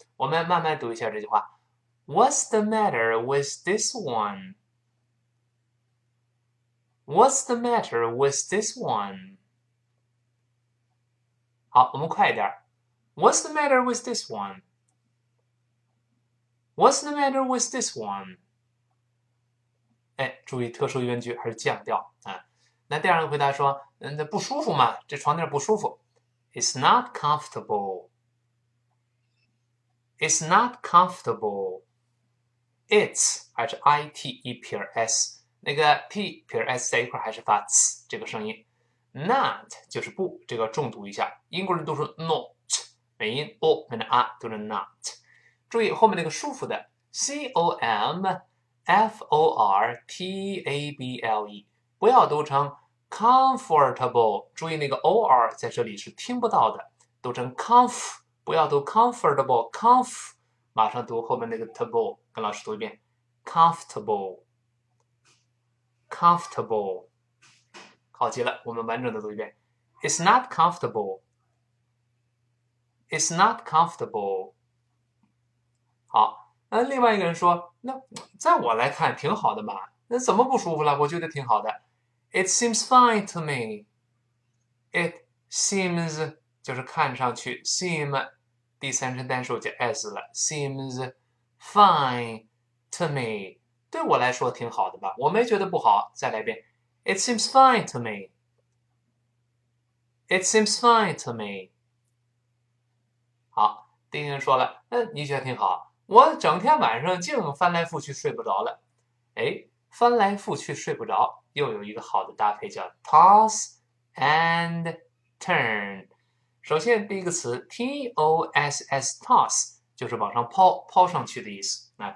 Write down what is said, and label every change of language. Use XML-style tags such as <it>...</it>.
<zh>我们慢慢读一下这句话：</zh> <en>What's the matter with this one？ What's the matter with this one？</en> <zh>好，我们快一点。</zh> <en>What's the matter with this one？What's the matter with this one？</en> <zh>哎，注意特殊原句还是降调啊。那第二个回答说，那不舒服嘛？这床垫不舒服。</zh> <en>It's not comfortable. It's not comfortable.</en> <zh>It's 还是 I T E P R S。那个 t 撇 s 在一块还是发 ts 这个声音，not 就是不，这个重读一下。英国人读成 not，美音 o 变成 a，读成 not。注意后面那个舒服的 c o m f o r t a b l e，不要读成 comfortable。注意那个 o r 在这里是听不到的，读成 conf，不要读 comfortable conf，马上读后面那个 table，跟老师读一遍 comfortable。 Comfortable，好极了，我们完整的读一遍。</zh> <en>It's not comfortable. It's not comfortable.</en> <zh>好，那另外一个人说，那在我来看挺好的嘛，那怎么不舒服了？我觉得挺好的。</zh> <en>It seems fine to me.</en> <zh>It seems 就是看上去 seem 第三人称单数加 s 了，</zh> <en>seems fine to me。</en> <zh>对我来说挺好的吧，我没觉得不好。再来一遍，</zh> <en>It seems fine to me. It seems fine to me.</en> <zh>好，丁丁说了，你选挺好，我整天晚上净翻来覆去睡不着了。哎，翻来覆去睡不着，又有一个好的搭配叫 toss and turn。首先，第一个词 toss toss 就是往上抛，抛上去的意思。</zh>